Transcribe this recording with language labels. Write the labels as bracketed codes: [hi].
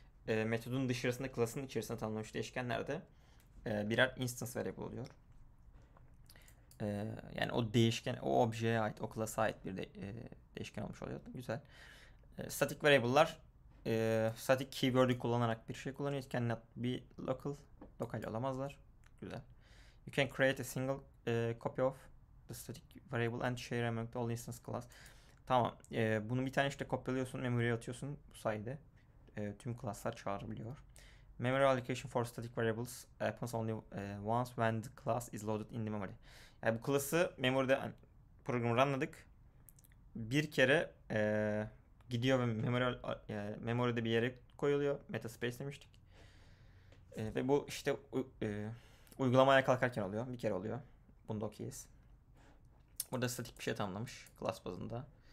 [tr] Metodun dışarısında class'ın içerisinde tanımlanmış değişkenler de birer instance variable oluyor. Yani o değişken, o objeye ait, o class'a ait bir değişken olmuş oluyor. Güzel. Static variable'lar static keyword'ü kullanarak bir şey kullanıyor. [en] It cannot be local. [tr] Lokal olamazlar. Güzel. [en] You can create a single copy of the static variable and share among all instance class. [tr] Tamam. Bunu bir tane işte kopyalıyorsun, memory'e atıyorsun. Bu sayede tüm class'lar çağırabiliyor. [en] Memory allocation for static variables happens only once when the class is loaded in the memory. [tr] Yani bu class'ı memory'de, yani programı runladık. Bir kere gidiyor ve memory'de bir yere koyuluyor. Metaspace demiştik. Ve bu işte uygulamaya kalkarken oluyor. Bir kere oluyor. Bunda okeyiz. Burada statik bir şey tanımlamış. Class bazında.